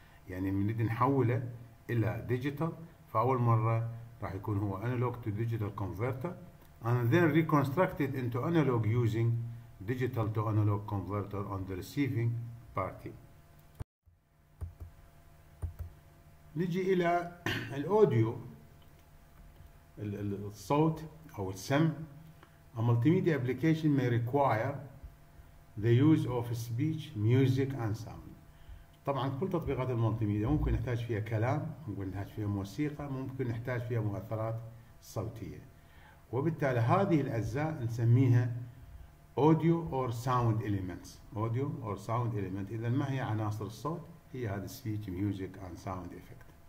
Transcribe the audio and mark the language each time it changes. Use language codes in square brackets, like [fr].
[ar] يعني من بدنا نحوله إلى digital، فأول مرة راح يكون هو [en] analog to digital converter and then reconstructed into analog using digital to analog converter on the receiving party. [ar] نجي إلى الأوديو، الصوت أو السمع. [en] A multimedia application may require the use of speech, music and sound. [ar] طبعا كل تطبيقات الملتيميديا ممكن نحتاج فيها كلام، ممكن نحتاج فيها موسيقى، ممكن نحتاج فيها مؤثرات صوتية، وبالتالي هذه الأجزاء نسميها [en] audio or sound elements. audio or sound element، [ar] إذا ما هي عناصر الصوت؟ هي هذا [en] speech, music and sound effect.